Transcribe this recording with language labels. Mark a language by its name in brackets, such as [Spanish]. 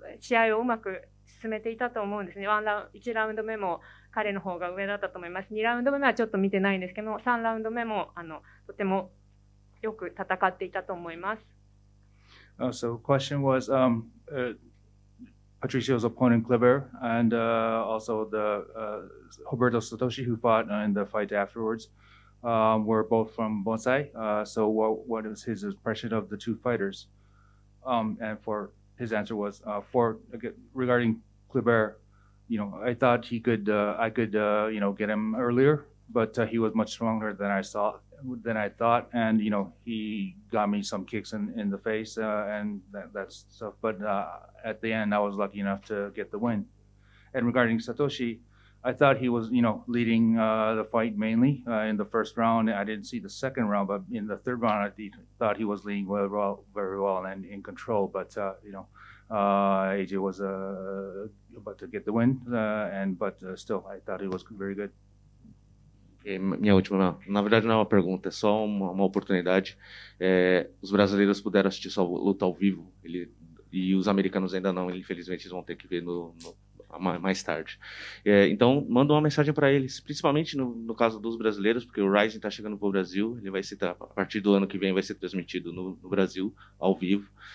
[Japanese] 試合をうまく進めていたと思うんですね。1ラウンド目も彼の方が上だったと思います。 2ラウンド目はちょっと見てないんですけど、3ラウンド目もとてもよく戦っていたと思います。 [English] So the question was, Patricio's opponent, Kleber, and also the Roberto Satoshi, who fought in the fight afterwards, were both from Bonsai. So what is his impression of the two fighters? And for his answer was, regarding Kleber, I thought he could, get him earlier, but he was much stronger than I thought, and he got me some kicks in the face and that stuff, but at the end I was lucky enough to get the win. And regarding Satoshi, I thought he was leading the fight mainly in the first round. I didn't see the second round, but in the third round I thought he was leading very well and in control, but AJ was about to get the win, but still I thought he was very good. [Portuguese] Minha última, na verdade não é uma pergunta, é só uma oportunidade. Os brasileiros puderam assistir sua luta ao vivo, e os americanos ainda não, infelizmente eles vão ter que ver no mais tarde. Então, manda uma mensagem para eles, principalmente no caso dos brasileiros, porque o Rising está chegando para o Brasil, ele vai ser, a partir do ano que vem, vai ser transmitido no Brasil, ao vivo.